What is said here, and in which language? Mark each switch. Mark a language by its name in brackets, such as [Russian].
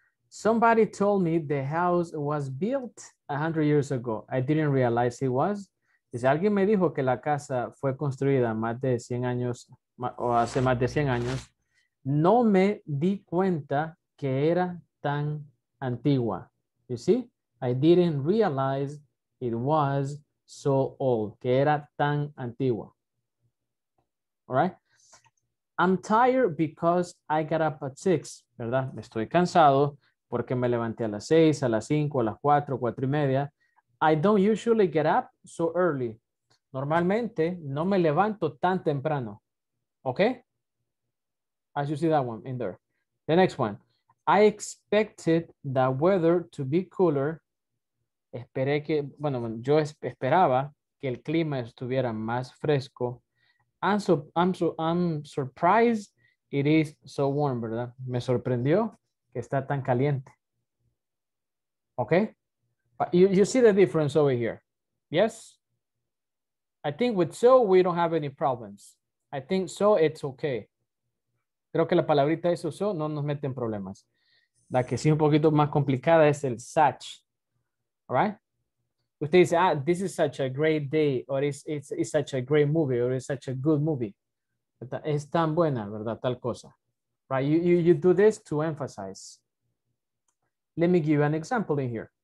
[English] Somebody told me the house was built 100 years ago. I didn't realize it was. [Spanish] Dice, alguien me dijo que la casa fue construida más de 100 años, o hace más de 100 años. No me di cuenta que era tan antigua. [English] You see? I didn't realize it was so old. [Spanish] Que era tan antigua. [English] All right? I'm tired because I got up at 6, [Spanish] ¿verdad? Me estoy cansado porque me levanté a las 6, a las 5, a las 4, 4 y media. [English] I don't usually get up so early. [Spanish] Normalmente no me levanto tan temprano. [English] ¿Ok? As you see that one in there. The next one. I expected the weather to be cooler. [Spanish] Esperé que, bueno, yo esperaba que el clima estuviera más fresco. [English] I'm surprised it is so warm, [Spanish] ¿verdad? Me sorprendió que está tan caliente. Okay? [English] But you see the difference over here. Yes? I think with so, we don't have any problems. I think so, it's okay. [Spanish] Creo que la palabrita eso, so, no nos mete en problemas. La que sí un poquito más complicada es el such. [English] All right? [Spanish] Usted dice, [English] this is such a great day, or it's such a great movie, or it's such a good movie. [Spanish] Es tan buena, ¿verdad? Tal cosa. [English] Right? You do this to emphasize. Let me give you an example in here.